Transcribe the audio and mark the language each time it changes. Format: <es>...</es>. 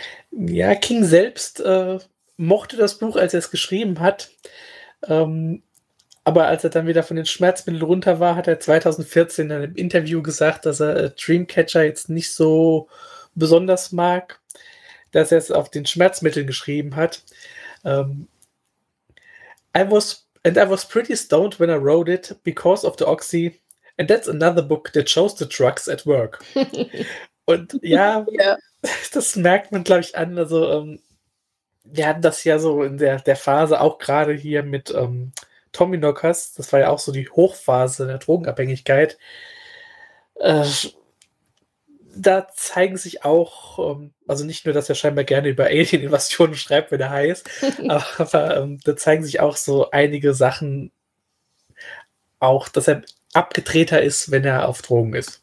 <de>Ja, King selbst mochte das Buch, als er es geschrieben hat. Aber als er dann wieder von den Schmerzmitteln runter war, hat er 2014 in einem Interview gesagt, dass er Dreamcatcher jetzt nicht so besonders mag, dass er es auf den Schmerzmitteln geschrieben hat.</de> <en>I was pretty stoned when I wrote it because of the Oxy. And that's another book that shows the drugs at work.</en> <de>Und ja, das merkt man, glaube ich, an. Also wir hatten das ja so in der Phase auch gerade hier mit Tommyknockers. Das war ja auch so die Hochphase der Drogenabhängigkeit. Da zeigen sich auch, also nicht nur, dass er scheinbar gerne über Alien-Invasionen schreibt, wenn er heißt, aber da zeigen sich auch so einige Sachen, auch, dass er abgedrehter ist, wenn er auf Drogen ist.</de>